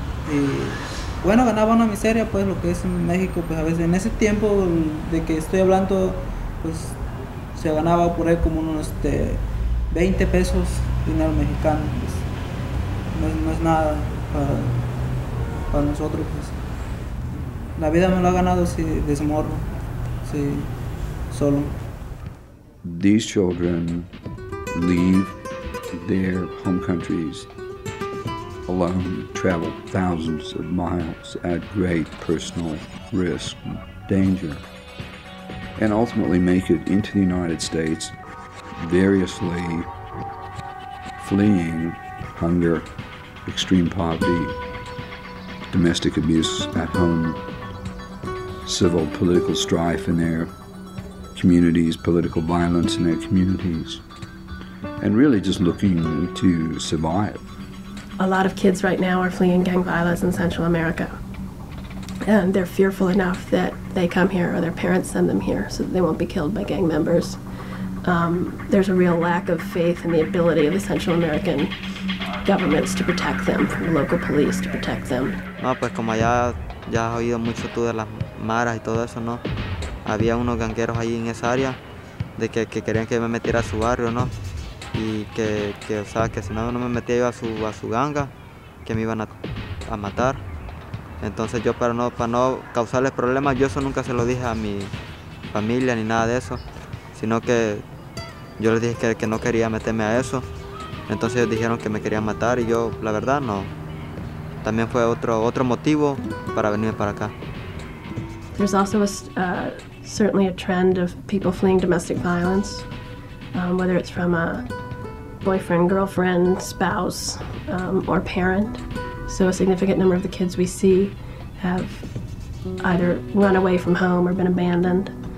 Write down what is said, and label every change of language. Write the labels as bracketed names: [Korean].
[Spanish] Y bueno, ganaba una miseria, pues lo que es en México, pues a veces en ese tiempo de que estoy hablando, pues se ganaba por ahí como unos 20 pesos dinero mexicano, pues no es nada para nosotros, pues. La vida me lo ha ganado así, de ese morro, sí, solo. [English] These children leave their home countries alone, travel thousands of miles at great personal risk and danger, and ultimately make it into the United States, variously fleeing hunger, extreme poverty, domestic abuse at home, civil political strife in their communities, political violence in their communities, and really just looking to survive. A lot of kids right now are fleeing gang violence in Central America. And they're fearful enough that they come here or their parents send them here so that they won't be killed by gang members. There's a real lack of faith in the ability of the Central American governments to protect them, from the local police to protect them. [Spanish] No, pues como ya has oído mucho tú de las maras y todo eso, ¿no? Había unos gangueros ahí en esa área de que querían que me metiera a su barrio, ¿no? Y que o sea, que si no me metía yo a su ganga, que me iban a matar. Entonces yo para no causarles problemas, yo eso nunca se lo dije a mi familia ni nada de eso, sino que yo les dije que no quería meterme a eso. Entonces ellos dijeron que me querían matar y yo, la verdad, no. También fue otro motivo para venirme para acá. [English] There's also certainly a trend of people fleeing domestic violence. Whether it's from a boyfriend, girlfriend, spouse, or parent. So a significant number of the kids we see have either run away from home or been abandoned.